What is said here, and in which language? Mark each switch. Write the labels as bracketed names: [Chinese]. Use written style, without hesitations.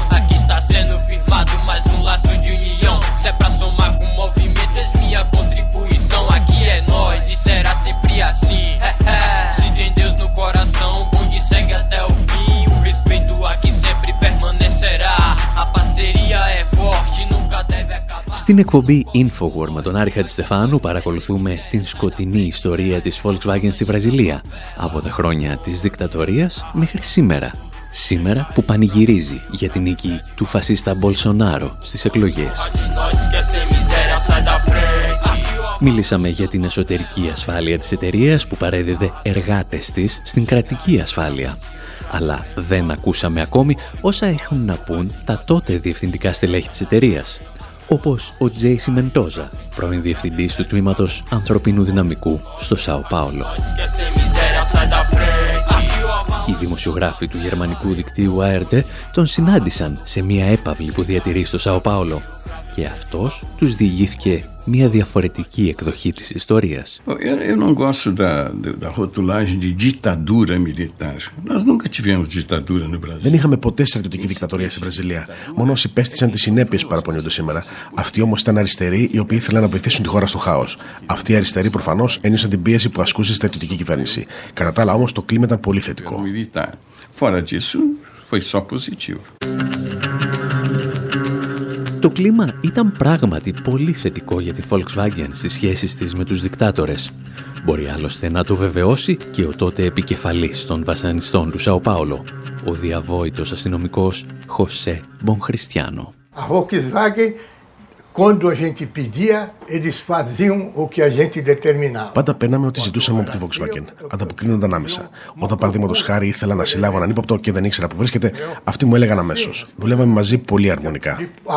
[Portuguese] Aqui está sendo firmado mais um laço de união. Se é pra somar com o movimento, és minha contribuição. Aqui é nós e será sempre assim. Se tem Deus no coração, onde segue até o fim. O respeito aqui sempre permanecerá. A parceria é forte, nunca deve acabar. [Greek] Στην εκπομπή Infowar με τον Άρη Χατζηστεφάνου παρακολουθούμε την σκοτεινή ιστορία της Volkswagen στη Βραζιλία από τα χρόνια της δικτατορίας μέχρι σήμερα. Σήμερα που πανηγυρίζει για την νίκη του φασίστα Μπολσονάρο στις εκλογές. Μίλησαμε για την εσωτερική ασφάλεια της εταιρείας που παρέδιδε εργάτες της στην κρατική ασφάλεια. Αλλά δεν ακούσαμε ακόμη όσα έχουν να πούν τα τότε διευθυντικά στελέχη της εταιρείας. Όπως ο Τζέισι Μεντόζα, πρώην διευθυντής του τμήματος ανθρωπίνου δυναμικού στο Σάο Πάολο. Οι δημοσιογράφοι του γερμανικού δικτύου ΑΕΡΤΕ τον συνάντησαν σε μια έπαυλη που διατηρεί στο Σάο Πάολο και αυτός τους διηγήθηκε μια διαφορετική εκδοχή της ιστορίας. [Portuguese] Eu não gosto da rotulagem de ditadura militar. Nós nunca tivemos ditadura no Brasil. [Greek] Δεν είχαμε ποτέ στρατιωτική δικτατορία στη Βραζιλία. Μόνο όσοι υπέστησαν τις συνέπειες παραπονιούνται σήμερα. Αυτοί όμως ήταν αριστεροί οι οποίοι ήθελαν να βυθίσουν τη χώρα στο χάος. Αυτοί οι αριστεροί προφανώς ένιωσαν την πίεση που ασκούσε η στρατιωτική κυβέρνηση. Κατά τα άλλα όμως το κλίμα ήταν πολύ θετικό. [Portuguese] Fora disso, foi só positivo. [Greek] Το κλίμα ήταν πράγματι πολύ θετικό για τη Volkswagen στις σχέσεις της με τους δικτάτορες. Μπορεί άλλωστε να το βεβαιώσει και ο τότε επικεφαλής των βασανιστών του Σάο Πάολο, ο διαβόητος αστυνομικός Χωσέ Μπονχριστιάνο. [Portuguese] A Volkswagen, quando a gente pedia, eles faziam o que a gente determinava. [Greek] Πάντα παίρναμε ό,τι ζητούσαμε από τη Volkswagen. Ανταποκρίνονταν άμεσα. Όταν, παραδείγματος χάρη, ήθελα να συλλάβω έναν ύποπτο και δεν ήξερα που βρίσκεται, αυτοί μου έλεγαν αμέσως. Δουλεύαμε μαζί πολύ αρμονικά.